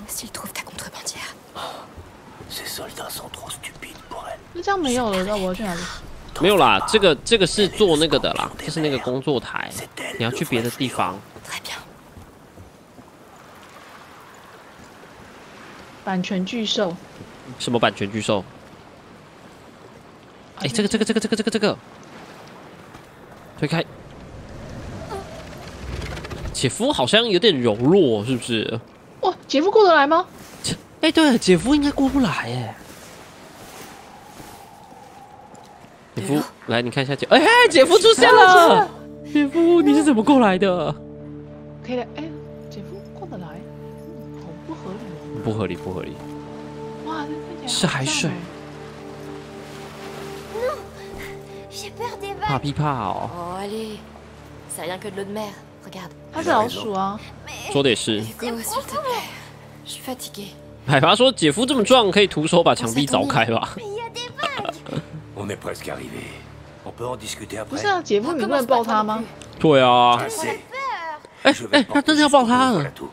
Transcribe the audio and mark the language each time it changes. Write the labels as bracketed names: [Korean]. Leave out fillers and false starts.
[French] C'est trop de contrebandiers. Ces soldats sont trop stupides. [Chinese] 那这样没有了，那我要去哪里？没有啦，这个是做那个的啦，这是那个工作台，你要去别的地方。版权巨兽？什么版权巨兽？哎、欸，这个，推开。姐夫好像有点柔弱，是不是？哇，姐夫过得来吗？哎、欸，对了，姐夫应该过不来耶。姐夫，来，你看一下姐。哎、欸，姐夫出现了！姐夫，你是怎么过来的？可以的。哎、欸，姐夫过得来，好不合理哦。不合理，不合理。哇，看起来是海水。 [French] Non, j'ai peur des vagues. [Chinese] 怕屁怕哦。 [French] Oh, allez, c'est rien que de l'eau de mer. Regarde. [Chinese] 他是老鼠啊。说的也是。 [French] Je suis fatigué. [Chinese] 海爸说：“姐夫这么壮，可以徒手把墙壁凿开吧？” [French] On est presque arrivé. On peut en discuter après. [Chinese] 不是啊，姐夫，你不能抱他吗？对啊。哎、欸、哎、欸，他真的要抱他了。